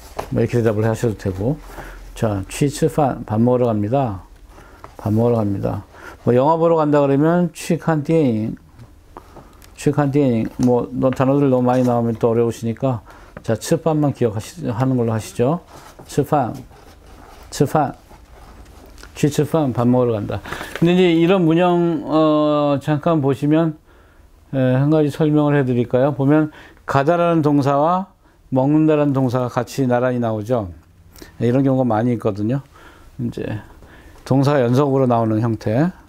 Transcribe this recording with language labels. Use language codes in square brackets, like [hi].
[ko] 뭐 이렇게 대답을 하셔도 되고. 자, [zh] 去吃饭, [ko] 밥 먹으러 갑니다. 밥 먹으러 갑니다. 뭐 영화 보러 간다 그러면 [zh] 去看电影. 去看电影. [ko] 뭐 너 단어들 너무 많이 나오면 또 어려우시니까 자, 吃饭만 기억하는 걸로 하시죠. [zh] 吃饭, 吃饭, 去吃饭, [ko] 밥 먹으러 간다. 근데 이제 이런 문형 잠깐 보시면 한 가지 설명을 해드릴까요? 보면 가다라는 동사와 먹는다라는 동사가 같이 나란히 나오죠. 이런 경우가 많이 있거든요. 이제 동사가 연속으로 나오는 형태.